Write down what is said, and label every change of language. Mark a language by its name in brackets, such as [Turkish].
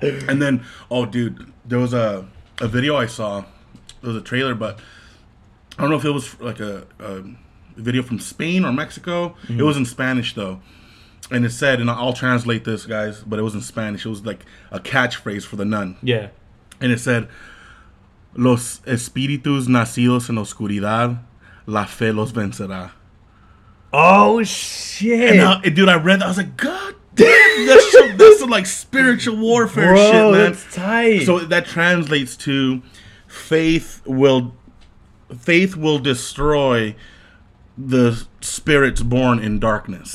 [English] And then, oh, dude, there was a video I saw. It was a trailer, but I don't know if it was like a video from Spain or Mexico. Mm-hmm. It was in Spanish, though. And it said, and I'll translate this, guys, but it was in Spanish. It was like a catchphrase for The Nun. Yeah. [Spanish] And it said, "Los espíritus nacidos en oscuridad, la fe los vencerá." [English] Oh, shit. And I read that. I was like, God damn. That's some, like, spiritual warfare, bro, shit, man. That's tight. So that translates to faith will destroy the spirits born in darkness.